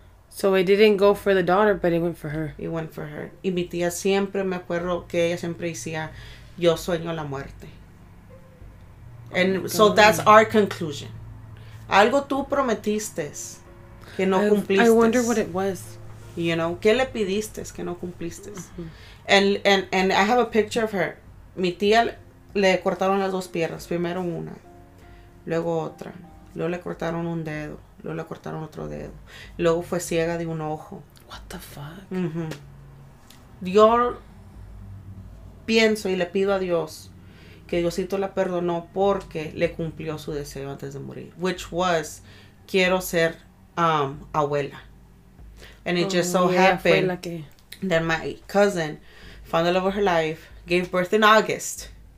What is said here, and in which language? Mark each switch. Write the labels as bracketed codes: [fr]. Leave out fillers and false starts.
[en] So it didn't go for the daughter, but it went for her. It went for her. [es] Y mi tía siempre, me acuerdo que ella siempre decía, yo sueño la muerte. [en] Oh, and so that's our conclusion. [es] Algo tú prometiste que no cumpliste. [en] I wonder what it was. You know, [es] ¿qué le pidiste que no cumpliste? Mm-hmm. [en] And I have a picture of her. [es] Mi tía le cortaron las dos piernas. Primero una, luego otra. Luego le cortaron un dedo. Luego le cortaron otro dedo. Luego fue ciega de un ojo. [en] What the fuck? Mm-hmm. [es] Yo pienso y le pido a Dios que Diosito la perdonó porque le cumplió su deseo antes de morir. [en] Which was, [es] quiero ser abuela. [en] And it just so happened that my cousin found the love of her life, gave birth in August.